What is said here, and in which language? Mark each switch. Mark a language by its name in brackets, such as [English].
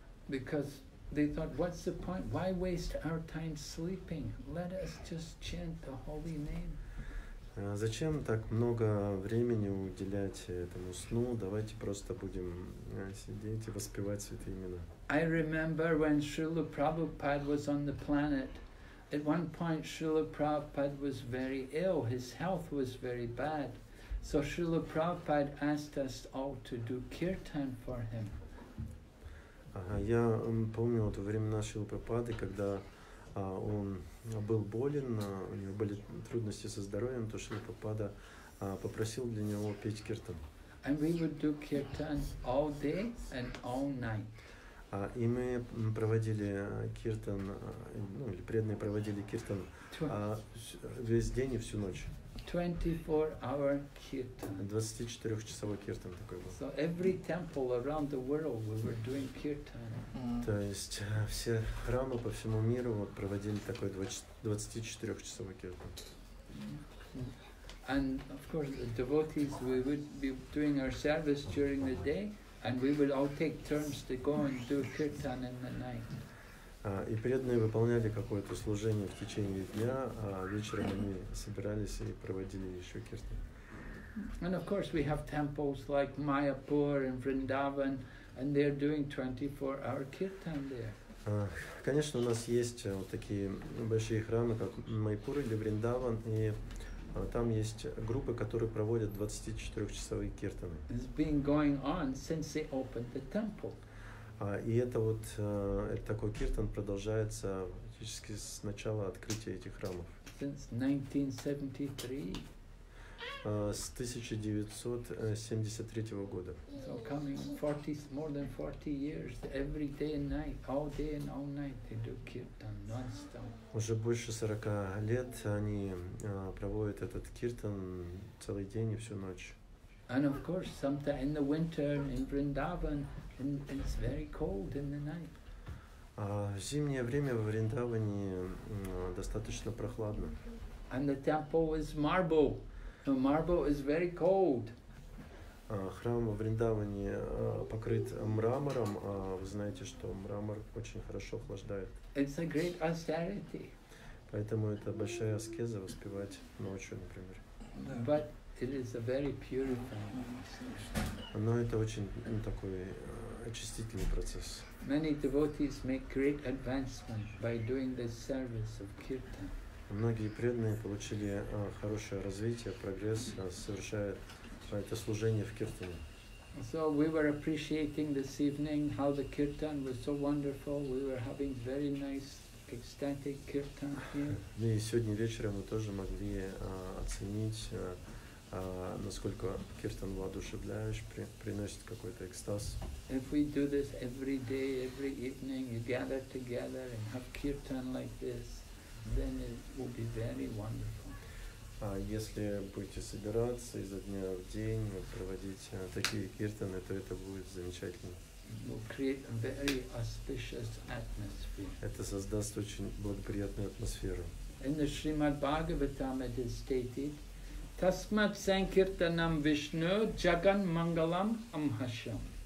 [English] Because they thought, what's the point? Why waste our time sleeping? Let us just chant the holy name. [Russian] Зачем так много времени уделять этому сну? Давайте просто будем сидеть и воспевать святые имена. [English] I remember when Srila Prabhupada was on the planet. At one point Srila Prabhupada was very ill, his health was very bad. So Srila Prabhupada asked us all to do kirtan for him. [Russian] Я помню то время Шрилы Прабхупады, когда он был болен, у него были трудности со здоровьем, то Шрила Прабхупада попросил для него петь киртан. [English] And we would do kirtan all day and all night. [Russian] И мы проводили киртан, ну или преданные проводили киртан весь день и всю ночь. [English] 24-hour kirtan. [Russian] 24-часовой киртан такой был. [English] So every temple around the world we were doing kirtan. [Russian] То есть все храмы по всему миру вот проводили такой 24-часовой киртан. [English] And of course the devotees we would be doing our service during the day. And we would all take turns to go and do kirtan in the night. [Russian] И преданные выполняли какое-то служение в течение дня, а вечером они собирались и проводили еще киртан. [English] And of course we have temples like Mayapur and Vrindavan, and they're doing 24-hour kirtan there. [Russian] Конечно, у нас есть вот такие большие храмы, как Майпур или Вриндаван, и там есть группы, которые проводят 24-часовые киртаны. [English] It's been going on since they opened the temple. [Russian] И это вот это такой киртан продолжается практически с начала открытия этих храмов. [English] Since 1973. [Russian] С 1973 года. [English] So coming 40, more than 40 years, every day and night, all day and all night they do kirtan non-stop. [Russian] Уже больше 40 лет они проводят этот киртан целый день и всю ночь. [English] And of course, sometimes in the winter in Vrindavan, it's very cold in the night. [Russian] В зимнее время в Вриндаване достаточно прохладно. [English] And the temple is marble. The marble is very cold. [Russian] Храм в Вриндаване покрыт мрамором, а вы знаете, что мрамор очень хорошо охлаждает. [English] It's a great austerity. [Russian] Поэтому это большая аскеза воспевать ночью, например. [English] But it is a very purifying. [Russian] Но это очень такой очистительный процесс. [English] Many devotees make great advancement by doing this service of kirtan. [Russian] Многие преданные получили хорошее развитие, прогресс, совершая это служение в киртане. [English] So we were appreciating this evening how the kirtan was so wonderful. We were having very nice ecstatic kirtan here. [Russian] И сегодня вечером мы тоже могли оценить, насколько киртан воодушевляющий, приносит какой-то экстаз. [English] If we do this every day, every evening, you gather together and have kirtan like this, then it will be very wonderful. [Russian] А если будете собираться изо дня в день проводить такие киртаны, то это будет замечательно. [English] Will create a very auspicious atmosphere. [Russian] Это создаст очень благоприятную атмосферу. [English] In the Srimad Bhagavatam it is stated, [Sanskrit] Tasmat Sankirtanam Vishnu Jagan Mangalam Amhasham.